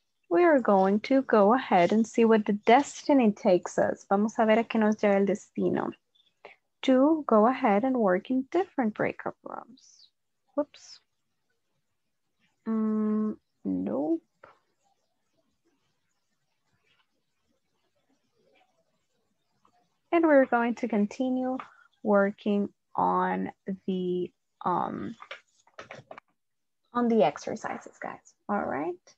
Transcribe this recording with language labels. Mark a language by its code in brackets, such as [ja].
[en] We are going to go ahead and see what the destiny takes us. [es] Vamos a ver a qué nos lleva el destino. [en] To go ahead and work in different breakup rooms. Whoops. Nope. And we're going to continue working on the exercises, guys. All right.